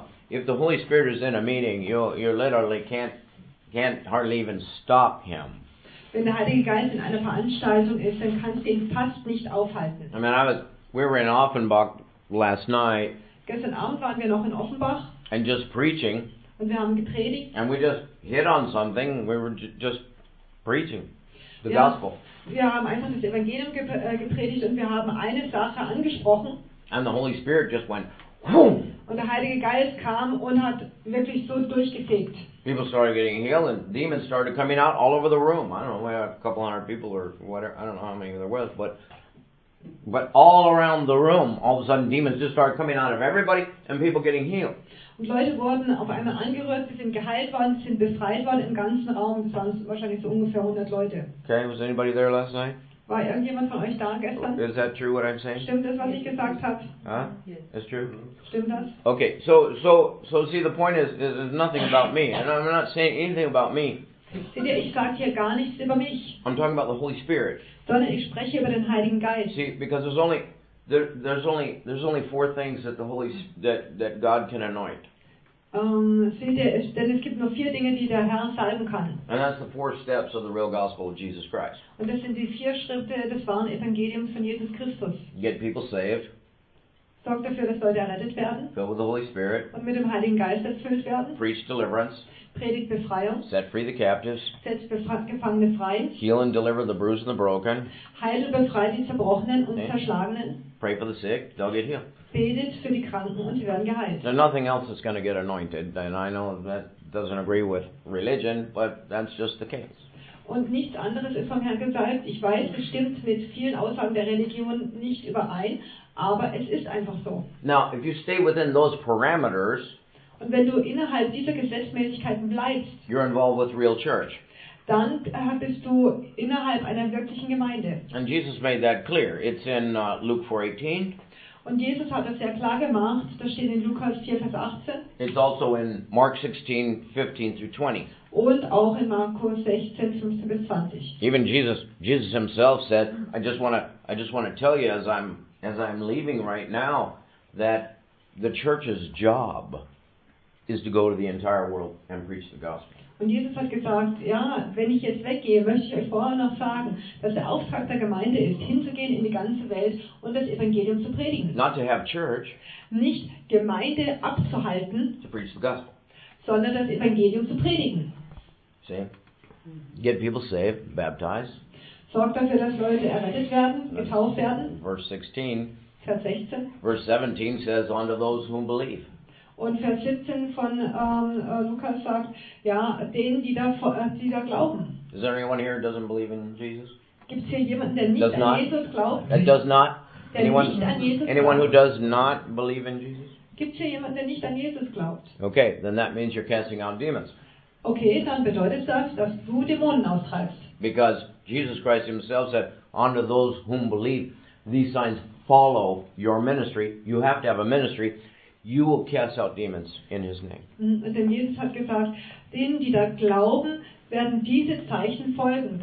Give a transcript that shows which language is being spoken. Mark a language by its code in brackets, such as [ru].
[en] If the Holy Spirit is in a meeting, you literally can't hardly even stop him. [de] Wenn der Heilige Geist in einer Veranstaltung ist, dann kannst du ihn fast nicht aufhalten. [en] I mean, we were in Offenbach last night. [de] Gestern Abend waren wir noch in Offenbach. [en] And just preaching. [de] Und wir haben gepredigt. [en] And we just hit on something. We were just preaching the gospel. [de] Wir haben einfach das Evangelium gepredigt und wir haben eine Sache angesprochen. [en] And the Holy Spirit just went, whoom! [de] Und der Heilige Geist kam und hat wirklich so durchgefegt. [en] People started getting healed and demons started coming out all over the room. I don't know, we had a couple hundred people or whatever. I don't know how many there was, but all around the room, all of a sudden, demons just started coming out of everybody and people getting healed. [de] Und Leute wurden auf einmal angerührt, sie sind geheilt worden, sie sind befreit worden im ganzen Raum. Das waren wahrscheinlich so ungefähr 100 Leute. [en] Okay, was anybody there last night? [de] War irgendjemand von euch da gestern? [en] Is that true what I'm saying? [de] Stimmt das, was ich gesagt habe? [en] Huh? Yes. That's true? [de] Stimmt das? [en] Okay, so see, the point is, there's nothing about me. And I'm not saying anything about me. [de] Seht ihr, ich sage hier gar nichts über mich. [en] I'm talking about the Holy Spirit. [de] Sondern ich spreche über den Heiligen Geist. [en] See, because there's only four things that the Holy that God can anoint. [de] Seht ihr, denn es gibt nur vier Dinge, die der Herr salben kann. [en] And that's the four steps of the real gospel of Jesus Christ. [de] Und das sind die vier Schritte des wahren Evangeliums von Jesus Christus. [en] Get people saved. [de] Sorgt dafür, dass Leute errettet werden. [en] Filled with the Holy Spirit. [de] Und mit dem Heiligen Geist erfüllt werden. [en] Preach deliverance. [de] Predigt Befreiung. [en] Set free the captives. [de] Setzt Gefangene frei. [en] Heal and deliver the bruised and the broken. [de] Heilt und befreit die Zerbrochenen und Zerschlagenen. [en] Pray for the sick, they'll get healed. [de] Betet für die Kranken und sie werden geheilt. [en] There's nothing else that's going to get anointed, and I know that doesn't agree with religion, but that's just the case. [de] Und nichts anderes ist vom Herrn gesagt. Ich weiß, es stimmt mit vielen Aussagen der Religion nicht überein, aber es ist einfach so. [en] Now, if you stay within those parameters, [de] und wenn du innerhalb dieser Gesetzmäßigkeiten bleibst, [en] you're involved with real church. [de] Dann bist du innerhalb einer wirklichen Gemeinde. [en] And Jesus made that clear. It's in Luke 4:18. [de] Und Jesus hat das sehr klar gemacht. Das steht in Lukas 4, Vers 18. [en] It's also in Mark 16:15-20. [de] Und auch in Markus 16:15-20. [en] Even Jesus himself said, I just want to tell you as I'm leaving right now that the church's job is to go to the entire world and preach the gospel. [de] Und Jesus hat gesagt, ja, wenn ich jetzt weggehe, möchte ich euch vorher noch sagen, dass der Auftrag der Gemeinde ist, hinzugehen in die ganze Welt und das Evangelium zu predigen. [en] Not to have church, [de] nicht Gemeinde abzuhalten, [en] to preach the gospel, [de] sondern das Evangelium zu predigen. [en] See? Get people saved, baptized. [de] Sorgt dafür, dass Leute errettet werden, getauft werden. [en] Verse 16. [de] Vers 16. [en] Verse 17 says, unto those whom believe. [de] Und Vers 17 von Lukas sagt, ja, denen, die da glauben. [en] Is there anyone here who doesn't believe in Jesus? [de] Gibt's hier jemanden, der nicht an Jesus glaubt? [en] That does not. [de] Der [en] anyone, [de] nicht an Jesus [en] anyone [de] glaubt? [en] Who does not believe in Jesus? [de] Gibt's hier jemanden, der nicht an Jesus glaubt? [en] Okay, then that means you're casting out demons. [de] Okay, dann bedeutet das, dass du Dämonen austreibst. [en] Because Jesus Christ himself said, unto those whom believe, these signs follow your ministry. You have to have a ministry. You will cast out demons in his name. [de] Denn Jesus hat gesagt, denen, die da glauben, werden diese Zeichen folgen.